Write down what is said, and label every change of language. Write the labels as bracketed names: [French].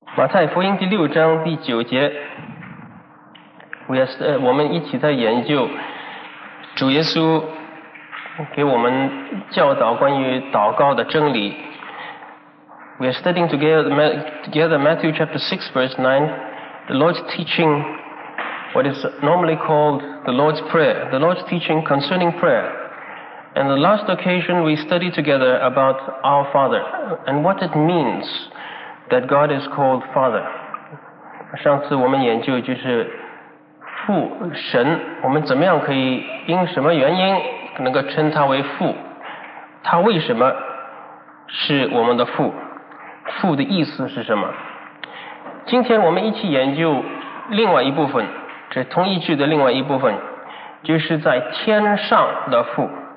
[Chinese] 马太福音第六章第九节，我们一起在研究主耶稣给我们教导关于祷告的真理。 [English] We are studying together Matthew chapter 6 verse 9, the Lord's teaching what is normally called the Lord's Prayer, the Lord's teaching concerning prayer. And the last occasion we studied together about our Father and what it means that God is called Father. [Chinese] 上次我们研究就是父神，我们怎么样可以因什么原因能够称他为父，他为什么是我们的父，父的意思是什么。今天我们一起研究另外一部分，这同一句的另外一部分，就是在天上的父。